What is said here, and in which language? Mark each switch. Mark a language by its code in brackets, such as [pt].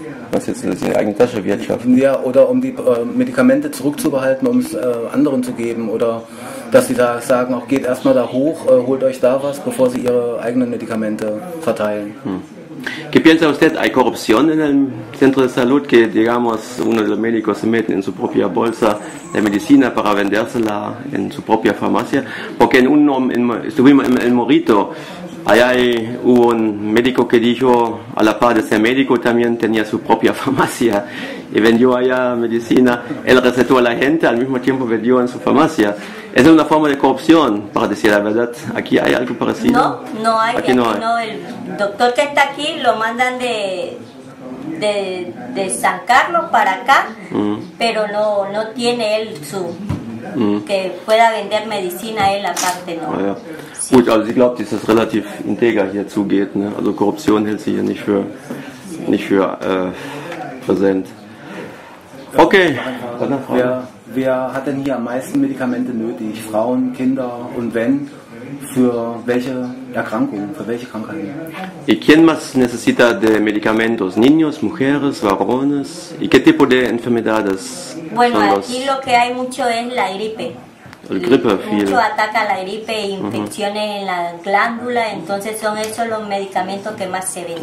[de] Was jetzt in die eigene Tasche wirtschaften? Ja, oder um die Medikamente zurückzubehalten, um es anderen zu geben. Oder dass sie da sagen, auch geht erstmal da hoch, holt euch da was, bevor sie ihre eigenen Medikamente verteilen. [es] ¿Qué piensa usted? ¿Hay corrupción en el centro de salud que, digamos, uno de los médicos se mete en su propia bolsa de medicina para vendérsela en su propia farmacia? Porque estuvimos en el Morito, allá hubo un médico que dijo, a la par de ser médico, también tenía su propia farmacia y vendió allá medicina. Él recetó a la gente, al mismo tiempo vendió en su farmacia. Es una forma de corrupción, para decir la verdad. ¿Aquí hay algo parecido? No, aquí no hay. No, el doctor que está aquí lo mandan de San Carlos para acá, pero no tiene él su... que pueda vender medicina él aparte, ¿no? Ah, ja. Sí. [de] Gut, also ich glaube, dass es relativ integer hier zugeht. Ne? Also Korruption hält sich hier nicht für präsent. Okay. Wer hat denn hier am meisten Medikamente nötig? Frauen, Kinder und wenn? Für welche Erkrankungen? Für welche Krankheiten? [es] ¿Y quién más necesita de medicamentos? Niños, mujeres, varones? ¿Y qué tipo de enfermedades? Bueno, aquí lo que hay mucho es la gripe. El gripe [de] viel. [es] Mucho ataca la gripe, infecciones en la glándula, entonces son esos los medicamentos que más se venden.